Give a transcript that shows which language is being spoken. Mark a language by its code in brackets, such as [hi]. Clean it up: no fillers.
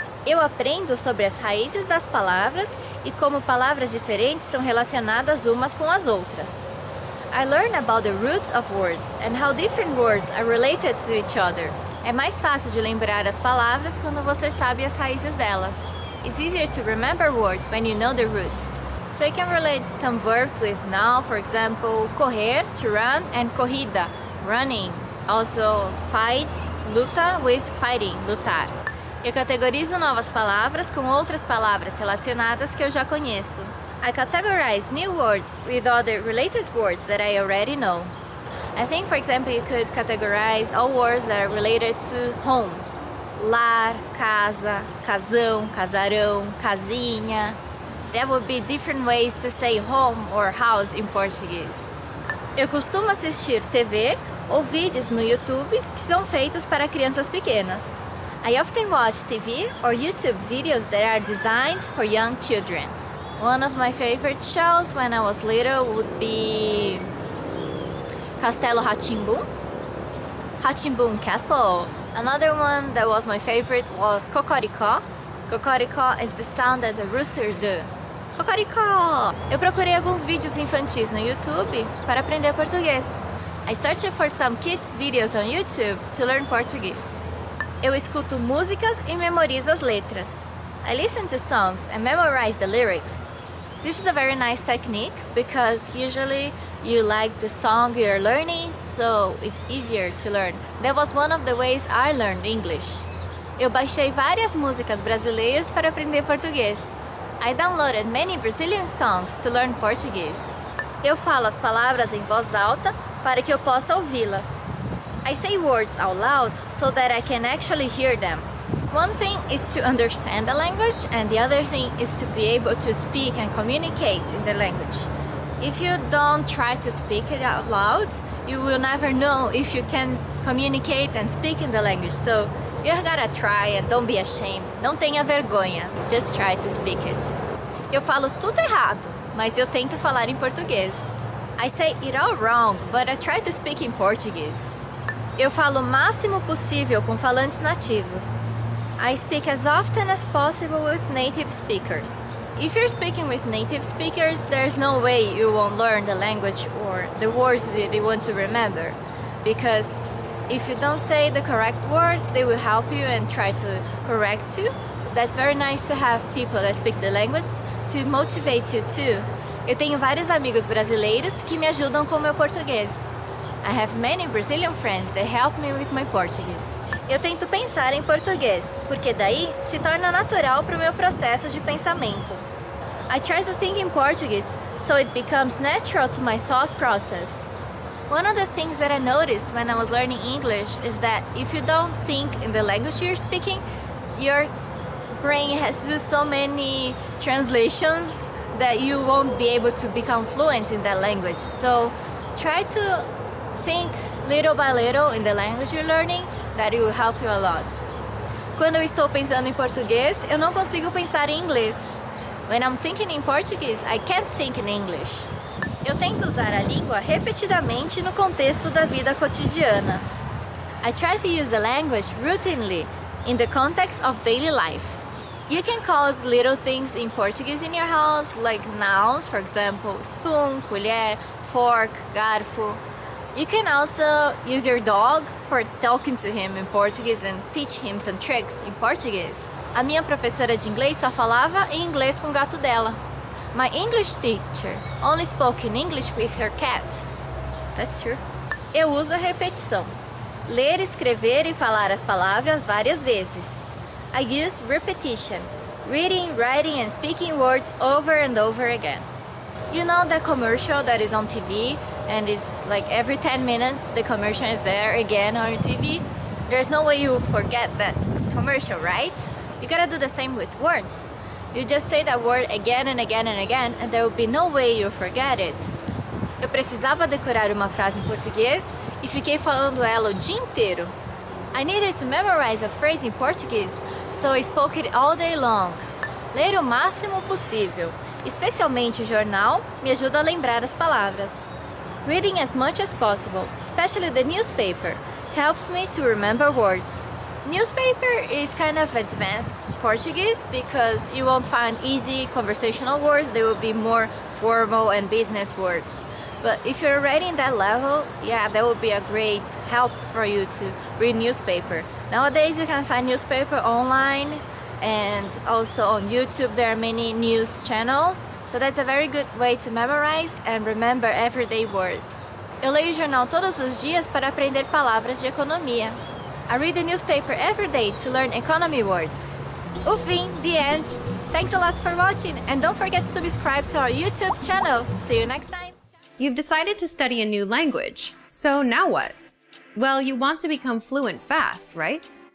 [pt] Eu aprendo sobre as raízes das palavras e como palavras diferentes são relacionadas umas com as outras. [en] I learn about the roots of words and how different words are related to each other. [pt] É mais fácil de lembrar as palavras quando você sabe as raízes delas. [en] It's easier to remember words when you know the roots. So you can relate some verbs with now, for example, correr, to run, and corrida, running. Also, fight, luta, with fighting, lutar. Eu categorizo novas palavras com outras palavras relacionadas que eu já conheço. I categorize new words with other related words that I already know. I think, for example, you could categorize all words that are related to home. [pt] Lar, casa, casão, casarão, casinha. [en] There would be different ways to say home or house in Portuguese. Eu costumo assistir TV ou vídeos no YouTube que são feitos para crianças pequenas. I often watch TV or YouTube videos that are designed for young children. One of my favorite shows when I was little would be Castelo Rá-Tim-Bum. Rá-Tim-Bum Castle. Another one that was my favorite was Cocoricó. Cocoricó is the sound that the rooster do. Cocoricó! [pt] Eu procurei alguns vídeos infantis no YouTube para aprender português. [en] I searched for some kids' videos on YouTube to learn Portuguese. [pt] Eu escuto músicas e memorizo as letras. [en] I listen to songs and memorize the lyrics. This is a very nice technique because usually you like the song you're learning, so it's easier to learn. That was one of the ways I learned English. [pt] Eu baixei várias músicas brasileiras para aprender português. [en] I downloaded many Brazilian songs to learn Portuguese. [pt] Eu falo as palavras em voz alta para que eu possa ouvi-las. [en] I say words out loud so that I can actually hear them. One thing is to understand the language, and the other thing is to be able to speak and communicate in the language. If you don't try to speak it out loud, you will never know if you can communicate and speak in the language. So, you gotta try and don't be ashamed. [pt] Não tenha vergonha. [en] Just try to speak it. [pt] Eu falo tudo errado, mas eu tento falar em português. [en] I say it all wrong, but I try to speak in Portuguese. [pt] Eu falo o máximo possível com falantes nativos. [en] I speak as often as possible with native speakers. If you're speaking with native speakers, there's no way you won't learn the language or the words that you want to remember. Because if you don't say the correct words, they will help you and try to correct you. That's very nice to have people that speak the language to motivate you too. [pt] Eu tenho vários amigos brasileiros que me ajudam com meu português. [en] I have many Brazilian friends that help me with my Portuguese. [pt] Eu tento pensar em português, porque daí se torna natural para o meu processo de pensamento. [en] I try to think in Portuguese, so it becomes natural to my thought process. One of the things that I noticed when I was learning English is that if you don't think in the language you're speaking, your brain has to do so many translations that you won't be able to become fluent in that language. So try to think little by little in the language you're learning, that it will help you a lot. [pt] Quando eu estou pensando em português, eu não consigo pensar em inglês. [en] When I'm thinking in Portuguese, I can't think in English. [pt] Eu tento usar a língua repetidamente no contexto da vida cotidiana. [en] I try to use the language routinely in the context of daily life. You can call little things in Portuguese in your house, like nouns, for example, spoon, colher, fork, garfo. You can also use your dog for talking to him in Portuguese and teach him some tricks in Portuguese. [pt] A minha professora de inglês só falava em inglês com o gato dela. [en] My English teacher only spoke in English with her cat. That's true. [pt] Eu uso a repetição. Ler, escrever e falar as palavras várias vezes. [en] I use repetition. Reading, writing and speaking words over and over again. You know that commercial that is on TV and it's like every 10 minutes the commercial is there again on your TV? There's no way you forget that commercial, right? You gotta do the same with words. You just say that word again and again and again, and there will be no way you'll forget it. [pt] Eu precisava decorar uma frase em português e fiquei falando ela o dia inteiro. [en] I needed to memorize a phrase in Portuguese, so I spoke it all day long. [pt] Ler o máximo possível, especialmente o jornal, me ajuda a lembrar as palavras. [en] Reading as much as possible, especially the newspaper, helps me to remember words. Newspaper is kind of advanced Portuguese because you won't find easy conversational words. They will be more formal and business words. But if you're already in that level, yeah, that would be a great help for you to read newspaper. Nowadays, you can find newspaper online and also on YouTube. There are many news channels. So that's a very good way to memorize and remember everyday words. [pt] Eu leio o jornal todos os dias para aprender palavras de economia. [en] I read the newspaper every day to learn economy words. [pt] O fim, [en] the end. Thanks a lot for watching and don't forget to subscribe to our YouTube channel. See you next time. You've decided to study a new language. So now what? Well, you want to become fluent fast, right?